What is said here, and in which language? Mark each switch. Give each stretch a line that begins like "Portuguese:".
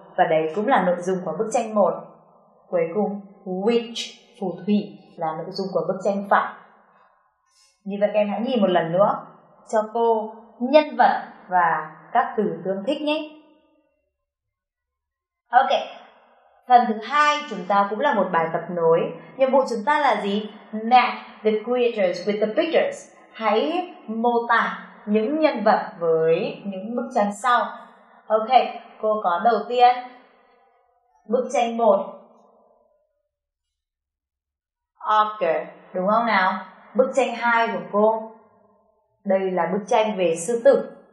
Vietnamese: Và đấy cũng là nội dung của bức tranh 1. Cuối cùng, witch, phù thủy là nội dung của bức tranh phải. Như vậy các em hãy nhìn một lần nữa cho cô nhân vật và các từ tương thích nhé. Ok, phần thứ hai chúng ta cũng là một bài tập nối. Nhiệm vụ chúng ta là gì?
English: Match the creatures with the pictures.
Vietnamese: Hãy mô tả những nhân vật với những bức tranh sau. Ok, cô có đầu tiên bức tranh 1. Ogre, đúng không nào? Bức tranh 2 của cô, đây là bức tranh về sư tử.